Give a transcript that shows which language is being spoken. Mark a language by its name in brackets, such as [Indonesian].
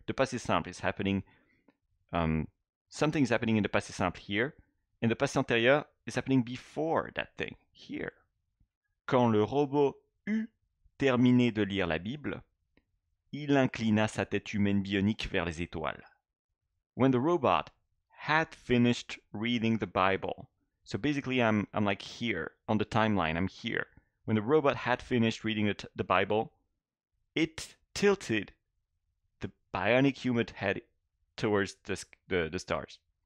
[English] The passé simple is happening, something is happening in the passé simple here, and the passé antérieur is happening before that thing here. [French] Quand le robot eut terminé de lire la Bible, il inclina sa tête humaine bionique vers les étoiles. [English] When the robot had finished reading the Bible, so basically I'm like here on the timeline, I'm here. When the robot had finished reading the Bible, it tilted the bionic human head towards the stars.